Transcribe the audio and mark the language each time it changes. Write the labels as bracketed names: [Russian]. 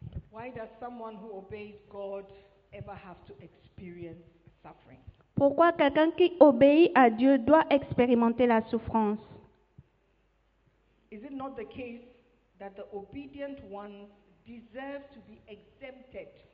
[English] Why does someone who obeys God ever have to experience suffering? [French] Pourquoi quelqu'un qui obéit à Dieu doit expérimenter la souffrance? [English] Is it not the case that the obedient ones deserve to be exempted?